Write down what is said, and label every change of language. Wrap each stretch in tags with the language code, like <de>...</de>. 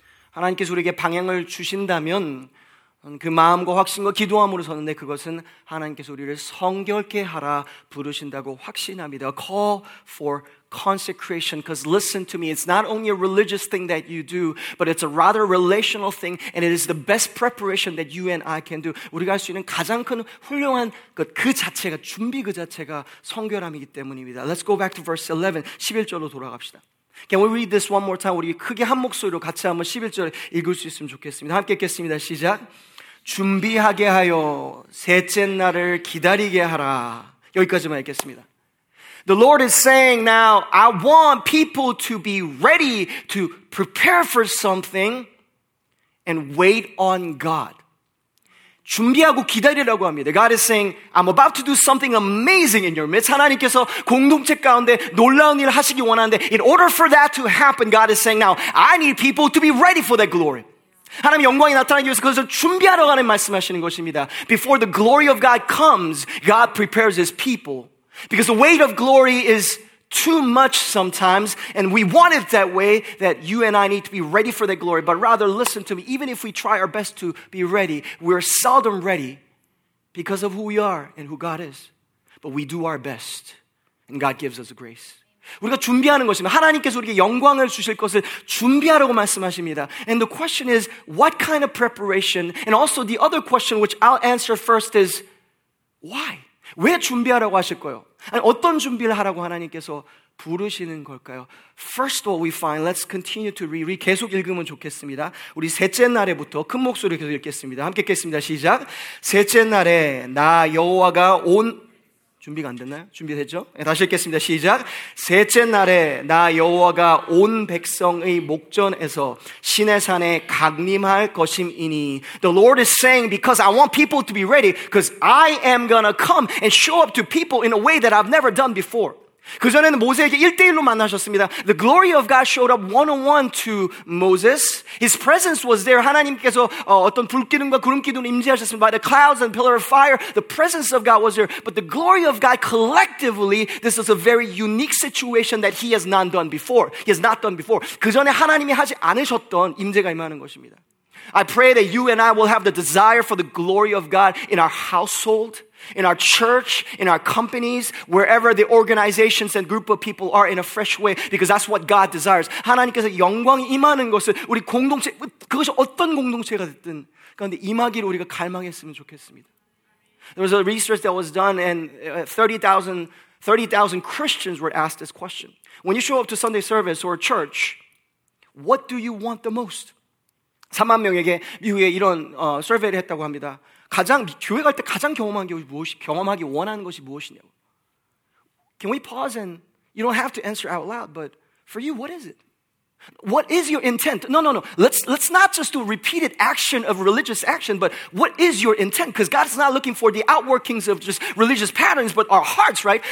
<ko>하나님께서 우리에게 방향을 주신다면 그 마음과 확신과 기도함으로 서는데 그것은 하나님께서 우리를 성결케 하라 부르신다고 확신합니다.</ko> <en>A call for consecration, because listen to me, it's not only a religious thing that you do, but it's a rather relational thing, and it is the best preparation that you and I can do.</en> <ko>우리가 할 수 있는 가장 큰 훌륭한 것, 그 자체가, 준비 그 자체가 성결함이기 때문입니다.</ko> <en>Let's go back to verse 11,</en> <ko>11절로 돌아갑시다.</ko> <en>Can we read this one more time?</en> <ko>우리 크게 한 목소리로 같이 한번 11절 읽을 수 있으면 좋겠습니다. 함께 읽겠습니다. 시작. 준비하게 하여 셋째 날을 기다리게 하라. 여기까지만 읽겠습니다.</ko> <en>The Lord is saying now, I want people to be ready to prepare for something and wait on God.</en> <ko>준비하고 기다리라고 합니다.</ko> <en>God is saying, I'm about to do something amazing in your midst.</en> <ko>하나님께서 공동체 가운데 놀라운 일을 하시기 원하는데</ko> <en>in order for that to happen, God is saying now, I need people to be ready for that glory.</en> <ko>하나님 영광이 나타나기 위해서 그것을 준비하러 가는 말씀하시는 것입니다.</ko> <en>Before the glory of God comes, God prepares his people. Because the weight of glory is too much sometimes, and we want it that way, that you and I need to be ready for that glory. But rather, listen to me, even if we try our best to be ready, we're seldom ready because of who we are and who God is. But we do our best, and God gives us grace.</en> <ko>우리가 준비하는 것입니다. 하나님께서 우리에게 영광을 주실 것을 준비하라고 말씀하십니다.</ko> <en>And the question is, what kind of preparation? And also the other question, which I'll answer first, is why?</en> <ko>왜 준비하라고 하실까요? 아니, 어떤 준비를 하라고 하나님께서 부르시는 걸까요?</ko> <en>First of all, we find, let's continue to read.</en> <ko>계속 읽으면 좋겠습니다. 우리 셋째 날에부터 큰 목소리로 계속 읽겠습니다. 함께 읽겠습니다. 시작. 셋째 날에 나 여호와가 온 준비가 안 됐나요? 준비됐죠? 네, 다시 읽겠습니다. 시작. 셋째 날에 나 여호와가 온 백성의 목전에서 시내산에 강림할 것임이니.</ko> <en>The Lord is saying, because I want people to be ready, because I am gonna come and show up to people in a way that I've never done before.</en> <ko>그 전에는 모세에게 일대일로 만나셨습니다.</ko> <en>The glory of God showed up one-on-one to Moses. His presence was there.</en> <ko>하나님께서 어떤 불기둥과 구름기둥을 임재하셨습니다.</ko> <en>By the clouds and pillar of fire, the presence of God was there. But the glory of God collectively, this is a very unique situation that he has not done before. He has not done before.</en> <ko>그 전에 하나님이 하지 않으셨던 임재가 임하는 것입니다.</ko> <en>I pray that you and I will have the desire for the glory of God in our household, in our church, in our companies, wherever the organizations and group of people are in a fresh way, because that's what God desires.</en> <ko>하나님께서 영광이 임하는 것을 우리 공동체, 그것이 어떤 공동체가 됐든 그런데 임하기를 우리가 갈망했으면 좋겠습니다.</ko> <en>There was a research that was done and 30,000 Christians were asked this question. When you show up to Sunday service or church, what do you want the most?</en> <ko>3만 명에게 미국에 이런 서베이를 했다고 합니다. 가장 교회 갈 때 가장 경험한 게 무엇이 경험하기 원하는 것이 무엇이냐고.</ko> <en>Can we pause and you don't have to answer out loud, but for you, what is it? What is your intent? No. Let's not just do repeated action of religious action, but what is your intent? Because God is not looking for the outworkings of just religious patterns, but our hearts, right?</en>